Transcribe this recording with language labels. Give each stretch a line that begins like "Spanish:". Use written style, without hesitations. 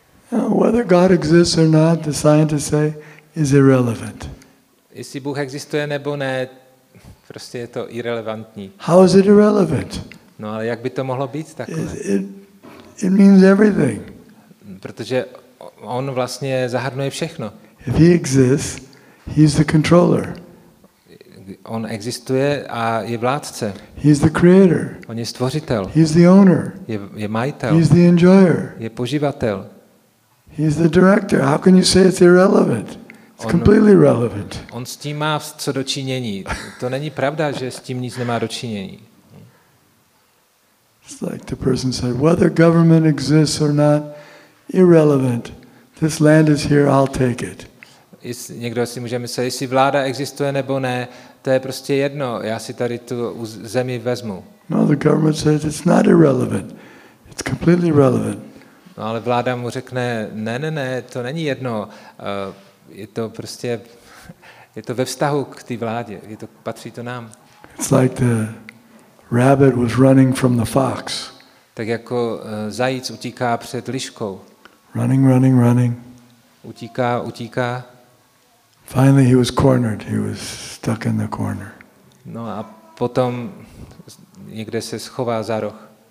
English: Whether God exists or not, the scientists say, is irrelevant.
Czech: Jestli Bůh existuje nebo ne, prostě je to irrelevantní.
English: How is it irrelevant?
Czech: No, ale jak by to mohlo být takhle?
English: It means everything.
Czech: Protože on vlastně zahrnuje všechno.
English: If he exists, he's the controller.
Czech: On existuje a je vládce.
English: He's the creator.
Czech: On je stvořitel.
English: He's the owner.
Czech: Je majitel.
English: He's the enjoyer.
Czech: Je poživatel.
English: He's the director. How can you say it's irrelevant? It's completely relevant.
Czech: On s tím má co dočinění. To není pravda, že s tím nic nemá dočinění.
English: It's like the person said, whether government exists or not, irrelevant. This land is here, I'll take it.
Czech: Někdo si může myslet, jestli vláda existuje nebo ne, to je prostě jedno, já si tady tu zemi vezmu.
English: No, the government says it's not irrelevant. It's completely relevant.
Czech: No, ale vláda mu řekne, ne, to není jedno. Je to prostě, je to ve vztahu k té vládě, je to, patří to nám.
English: It's like the rabbit was running from the fox.
Czech: Tak jako zajíc utíká před liškou.
English: Running.
Czech: Utíká.
English: Finally he was cornered. He was stuck in the corner.
Czech: No a potom někde se schová za roh.